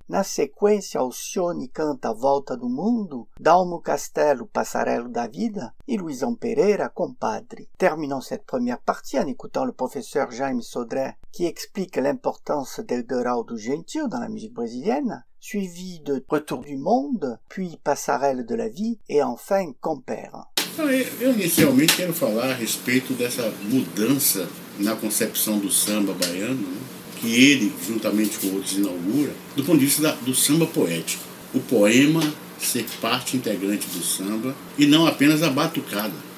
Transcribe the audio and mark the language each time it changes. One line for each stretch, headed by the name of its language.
Portuguese: Na sequência, Alcione canta Volta do Mundo, Dalmo Castello, Passarelo da Vida e Luisão Pereira, Compadre.
French: Terminons cette première partie en écoutant le professeur Jaime Sodré qui explique l'importance d'Eldorado Gentil dans la musique brésilienne, suivi de Retour du Monde, puis Passarelle de la Vie et enfin Compère.
Portuguese: Eu inicialmente quero falar a respeito dessa mudança na concepção do samba baiano, né, que ele, juntamente com outros, inaugura, do ponto de vista do samba poético. O poema ser parte integrante do samba e não apenas a batucada.